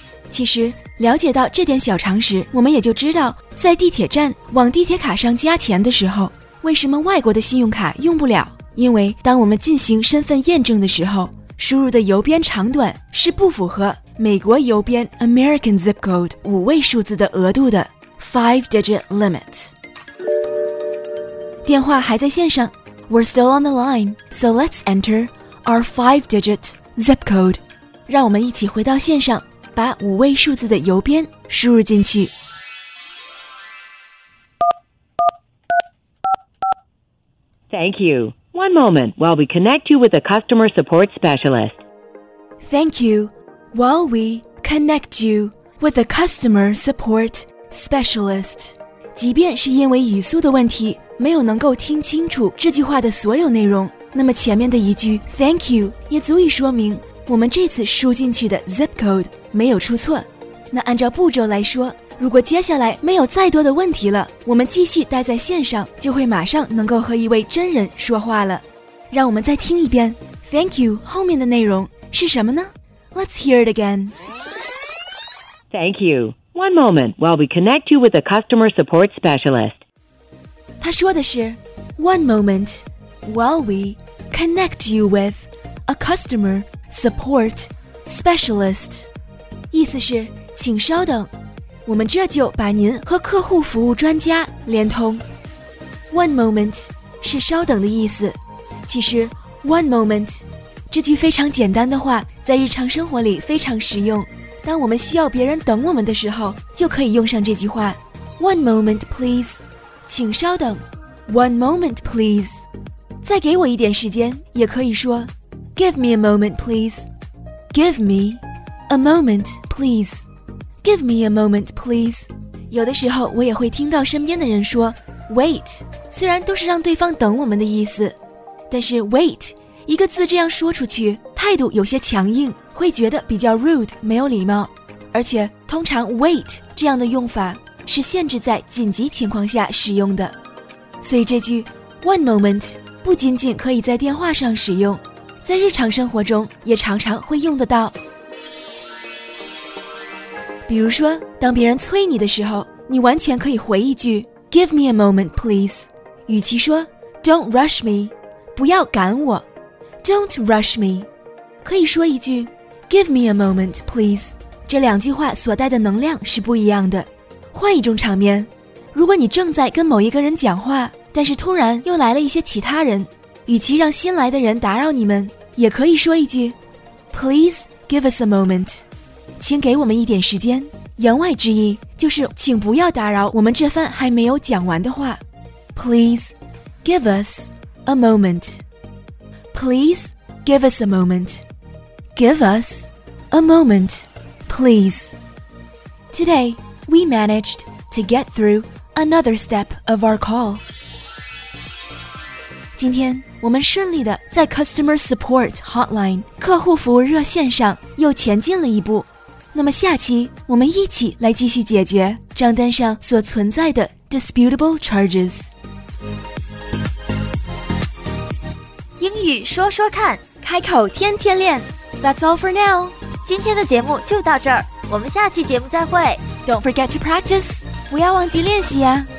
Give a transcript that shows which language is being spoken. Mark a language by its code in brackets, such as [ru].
[zh] 其实了解到这点小常识，我们也就知道在地铁站往地铁卡上加钱的时候，为什么外国的信用卡用不了？因为当我们进行身份验证的时候，输入的邮编长短是不符合美国邮编 [en] American zip code [zh] 五位数字的额度的 [en] 5 digit limit。 [zh] 电话还在线上， [en] We're still on the line， So let's enter our 5 digit zip code。 [zh] 让我们一起回到线上，把五位数字的邮编输入进去。 [en] Thank you. One moment while we connect you with a customer support specialist. Thank you. While we connect you with a customer support specialist. [zh] 即便是因为语速的问题，没有能够听清楚这句话的所有内容，那么前面的一句 [en] Thank you [zh] 也足以说明我们这次输进去的 zip code 没有出错。那按照步骤来说，如果接下来没有再多的问题了，我们继续待在线上，就会马上能够和一位真人说话了。让我们再听一遍 [en] Thank you [zh] 后面的内容是什么呢？ [en] Let's hear it again. Thank you. One moment while we connect you with a customer support specialist. [zh] 他说的是 [en] One moment while we connect you with a customer support specialist. [zh] 意思是请稍等，我们这就把您和客户服务专家连通。 One moment 是稍等的意思，其实 One moment 这句非常简单的话在日常生活里非常实用，当我们需要别人等我们的时候就可以用上这句话。 [en] One moment please [zh] 请稍等。 [en] One moment please [zh] 再给我一点时间，也可以说 [en] Give me a moment please. Give me a moment pleaseGive me a moment, please. [zh] 有的时候我也会听到身边的人说 wait, 虽然都是让对方等我们的意思，但是 wait, 一个字这样说出去，态度有些强硬，会觉得比较 rude, 没有礼貌。而且通常 wait 这样的用法是限制在紧急情况下使用的。所以这句 one moment 不仅仅可以在电话上使用，在日常生活中也常常会用得到。比如说当别人催你的时候，你完全可以回一句 [en] Give me a moment please. [zh] 与其说 [en] Don't rush me, [zh] 不要赶我， [en] Don't rush me, [zh] 可以说一句 [en] Give me a moment please. [zh] 这两句话所带的能量是不一样的。换一种场面，如果你正在跟某一个人讲话，但是突然又来了一些其他人，与其让新来的人打扰你们，也可以说一句 [en] Please give us a moment. [zh] 请给我们一点时间，言外之意就是请不要打扰我们这番还没有讲完的话。 [en] Please give us a moment. Please give us a moment. Give us a moment, please. Today, we managed to get through another step of our call. [zh] 今天我们顺利地在 Customer Support Hotline 客户服务热线上又前进了一步，那么下期我们一起来继续解决账单上所存在的 disputable charges。英语说说看，开口天天练。 [en] That's all for now， [zh] 今天的节目就到这儿，我们下期节目再会。 [en] Don't forget to practice， [zh] 不要忘记练习呀。